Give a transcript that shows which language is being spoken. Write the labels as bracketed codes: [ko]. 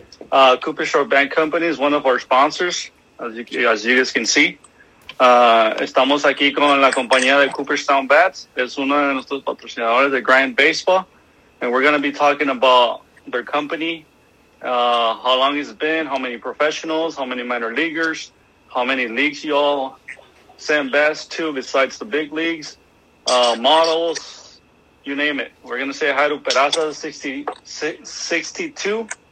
[en] Cooperstown Bat Company is one of our sponsors, as you guys can see. [es] Estamos aquí con la compañía de Cooperstown Bats. Es uno de nuestros patrocinadores de Grind Baseball. [en] And we're going to be talking about their company, how long it's been, how many professionals, how many minor leaguers, how many leagues you all send bats to besides the big leagues, models, you name it. We're going to say hi to Peraza 62.